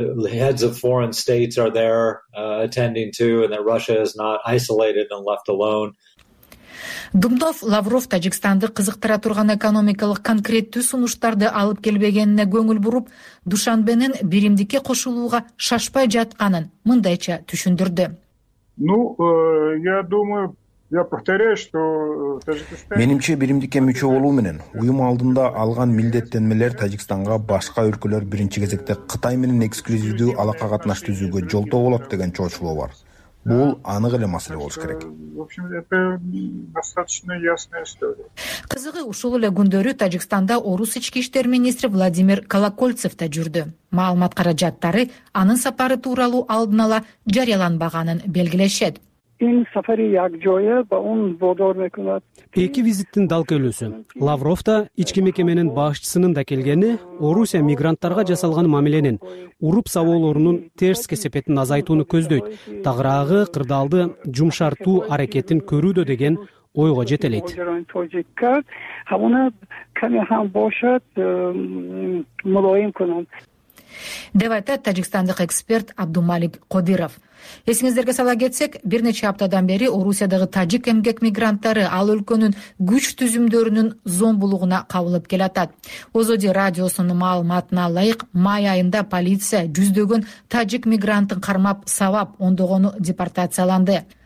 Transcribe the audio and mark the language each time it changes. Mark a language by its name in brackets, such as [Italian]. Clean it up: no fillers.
[English] Heads of foreign states are there attending to and that Russia is not isolated and left alone. [Kyrgyz] Думдов Лавров Таджикстанды кызыктыра турган экономикалык конкреттүү сунуштарды алып келбегенине көңүл буруп, Душанбенин биримдикке кошулууга шашпай жатканын мындайча түшүндүрдү. [Russian] Ну, я думаю, я повторяю, что Таджикстан. [Kyrgyz] Менимче биримдикке мүчө болуу менен уюм алдында алган милдеттенмелер Таджикстанга башка өлкөлөр биринчи кезекте Кытай менен эксклюзивдүү алака катнаш түзүүгө жолтоо болот деген чоочулоо бар. Бул анык эле маселе болуш керек. Кызыгы ушул эле күндөрү Таджикстанда орус ички иштер министри Владимир Колокольцев да жүрдү. Маалымат каражаттары анын сапары тууралуу алдын ала жарыяланбаганын белгилешет. Эки визиттин дал келүүсү. Лавров да ички мекеменин башчысынын да келгени Орусия мигранттарга жасалган мамиленин уруп сабоолорунун терс кесепетин азайтууну көздөйт. Тагыраагы кырдаалды жумшартуу аракетин көрүүдө деген ойго жетелейт. Деп айтат таджикстандык эксперт Абдумалик Кодиров. Эсиңиздерге сала кетсек, бир нече аптадан бери Орусиядагы тажик эмгек мигранттары ал өлкөнүн күч түзүмдөрүнүн зомбулугуна кабылып келатат. Озоди радиосунун маалыматына ылайык, май айында полиция жүздөгөн тажик мигрантын кармап сабап ондогону депортацияланды.